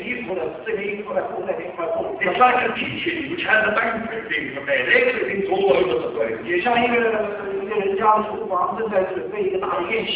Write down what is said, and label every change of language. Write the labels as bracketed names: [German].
[Chinese] 也像一个裁缝桌子里面剪衣服的这个一块布那边一块布 [English] It's like a kitchen which has a banquet being prepared. Everything's all over the place. [Chinese] 也像一个人家厨房正在准备一个大宴席